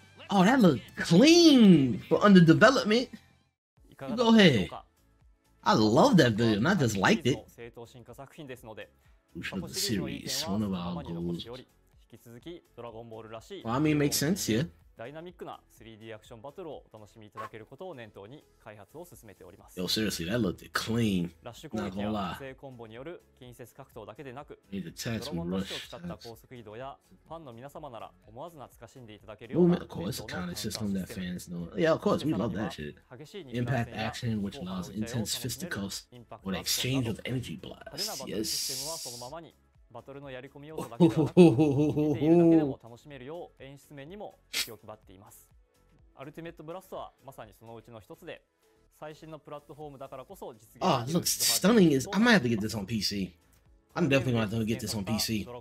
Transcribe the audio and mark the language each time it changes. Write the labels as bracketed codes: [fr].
[en] Oh, that looks clean for under development. Go ahead. I love that video, and I just liked it. Evolution of the series, one of our goals. Well, I mean, it makes sense, yeah. [ja] ダイナミックな 3D アクションバトルをお楽しみいただけることを念頭に開発を進めております。 [en] Yo, seriously, that looked clean. [ja] ラッシュ攻撃や補正コンボによる近接格闘だけでなく、ドラゴンラッシュを使った高速移動やファンの皆様なら思わず懐かしんでいただけるような。 [en] Movement, of course, is kind of system that fans know. Yeah, of course, we love that shit. Impact action, which allows intense fisticuffs or the exchange of energy blasts. Yes. [ja] バトルのやり込み要素だけではなく、見ているだけでも楽しめるよう演出面にも気を配っています。アルティメットブラストはまさにそのうちの一つで、最新のプラットフォームだからこそ実現。 [en] Ah, looks stunning. Is I might have to get this on PC. I'm definitely going to get this on PC.